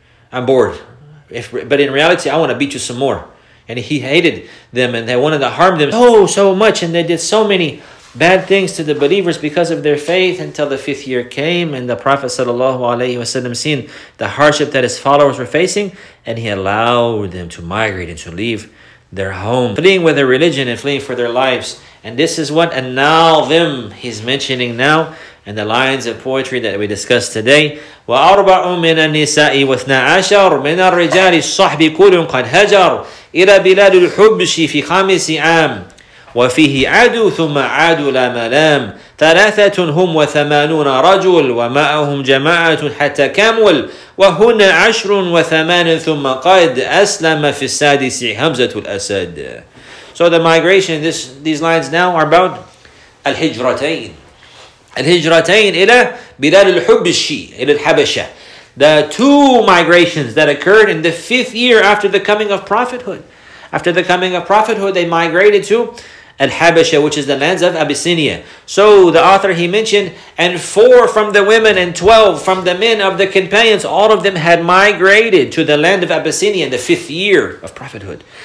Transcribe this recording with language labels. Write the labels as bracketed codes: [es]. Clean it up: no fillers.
[en] But in reality, I want to beat you some more. And he hated them and they wanted to harm them so much, and they did so many bad things to the believers because of their faith, until the fifth year came and the Prophet sallallahu alaihi wasallam seen the hardship that his followers were facing, and he allowed them to migrate and to leave their home, fleeing with their religion and fleeing for their lives. And this is what annal them he's mentioning now in the lines of poetry that we discussed today. [ar] وَأَرْبَعُ مِنَ النِّسَاءِ وَاثْنَا عَشَرُ مِنَ الرِّجَالِ الصَّحْبِ كُلٌ قَدْ هَجَرُ إِلَى بِلَادُ الْحُبْشِ فِي خَامِسِ عَامٍ وفيه عاد ثم عاد لا ملام ثلاثة هم وثمانون رجل ومعهم جماعة حتى كامل وهنا عشر وثمان ثم قد أسلم في السادس حمزة الأسد. [en] So the migration, these lines now are about الهجرتين. [ar] الهجرتين إلى بلاد الحب الشي إلى الحبشة. [en] The two migrations that occurred in the fifth year after the coming of prophethood. After the coming of prophethood, they migrated to Al-Habasha, which is the lands of Abyssinia. So the author, he mentioned, and four from the women and 12 from the men of the companions, all of them had migrated to the land of Abyssinia in the fifth year of prophethood.